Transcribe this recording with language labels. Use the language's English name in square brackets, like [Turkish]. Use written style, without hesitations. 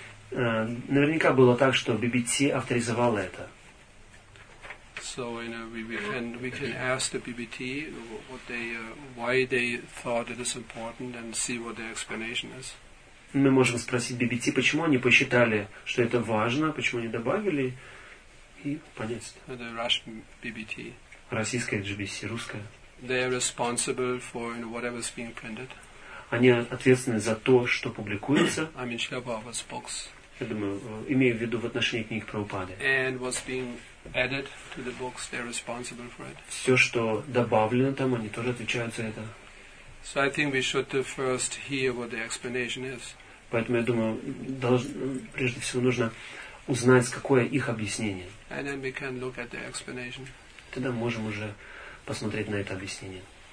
[Russian] Наверняка было так, что BBT авторизовало это. [English] So, you know, we can ask the BBT what they why they thought it is important and see what their explanation is. [Russian] Мы можем спросить BBT, почему они посчитали, что это важно, почему они добавили и понять. [English] The Russian BBT. [Russian] Российская GBC, русская. [English] They are responsible for, you know, whatever is being printed. [Russian] Они ответственны за то, что публикуется. [English] I mean, Shlapa was books. [Russian] Я думаю, имею в виду в отношении книг Прабхупады. [English] And what's being added to the books, they're responsible for it. [Russian] Все, что добавлено там, они тоже отвечают за это. [English] So I think we should first hear what the explanation is. [Russian] Поэтому я думаю, прежде всего нужно узнать, какое их объяснение. [English] And then we can look at the explanation. [Russian] Тогда можем уже посмотреть на это объяснение.